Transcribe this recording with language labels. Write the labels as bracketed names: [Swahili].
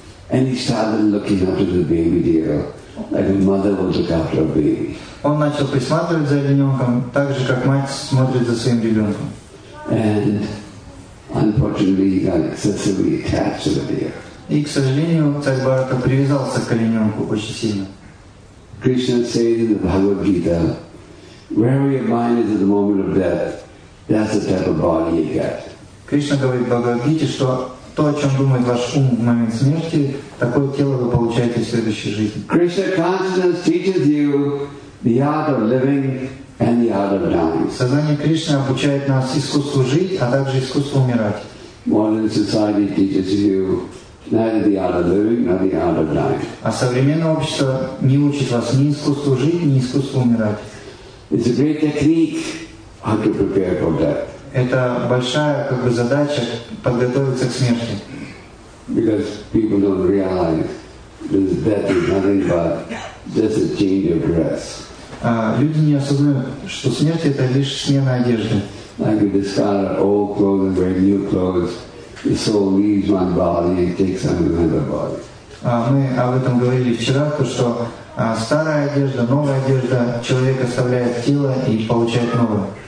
[English] And he started looking after the baby deer. Like a mother would look after a baby. [Russian] Он начал присматривать за олененком, так же, как мать смотрит за своим ребенком. [English] And unfortunately, he got excessively attached to the deer. [Russian] И, к сожалению, царь Бхарата привязался к олененку очень сильно. [English] Krishna says in the Bhagavad Gita, wherever your mind is at the moment of death, that's the type of body you get. [Russian] Кришна говорит в Бхагавад-гите, что то, о чем думает ваш ум в момент смерти, такое тело вы получаете в следующей жизни. [English] Krishna consciousness teaches you the art of living and the art of dying. [Russian] Сознание Кришны обучает нас искусству жить, а также искусству умирать. [English] Modern society teaches you neither the art of living nor the art of dying. [Russian] А современное общество не учит вас ни искусству жить, ни искусству умирать. [English] It's a great technique how to prepare for death. [Russian] Это большая как бы задача подготовиться к смерти. [English] Because people don't realize that death is nothing but just a change of dress. [Russian] Люди не осознают, что смерть это лишь смена одежды. [English] Like we discard old clothes and wear new clothes, the soul leaves one body and takes on another body. [Russian] Мы об этом говорили вчера, то что старая одежда, новая одежда, человек оставляет тело и получает новое.